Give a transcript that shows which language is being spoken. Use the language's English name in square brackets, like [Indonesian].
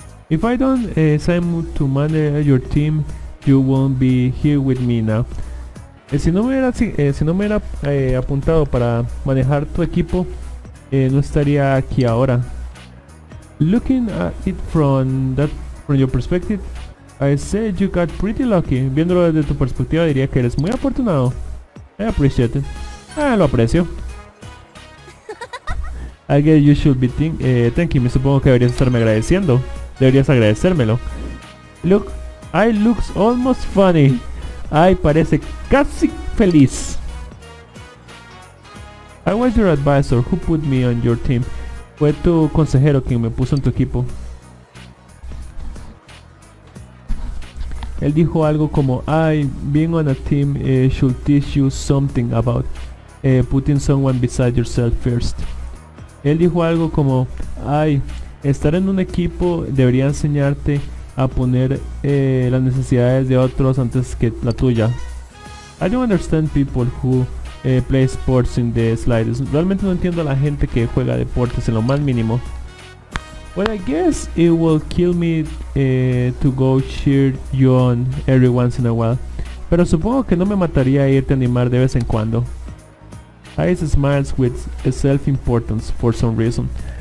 [English] If I don't sign to manage your team, you won't be here with me now. [Spanish] Si no me hubiera apuntado para manejar tu equipo, no estaría aquí ahora. [English] Looking at it from your perspective, I said you got pretty lucky. [Spanish] Viéndolo desde tu perspectiva, diría que eres muy afortunado. [English] I appreciate it. [Spanish] Lo aprecio. [English] I guess you should be thanking me. [Spanish] Supongo que deberías estarme agradeciendo. Deberías agradecérmelo. [English] Look, I looks almost funny. [Spanish] I parece casi feliz. [English] I was your advisor. Who put me on your team? [Spanish] Fue tu consejero quien me puso en tu equipo. Él dijo algo como, [English] I being on a team should teach you something about putting someone beside yourself first. [Spanish] Él dijo algo como, ay, estar en un equipo debería enseñarte a poner las necesidades de otros antes que la tuya. [English] I don't understand people who play sports in the slides. [Spanish] Realmente no entiendo a la gente que juega deportes en lo más mínimo. [English] Well, I guess it will kill me to go cheer you on every once in a while. [Spanish] Pero supongo que no me mataría irte a animar de vez en cuando. [English] I smiles with self-importance for some reason.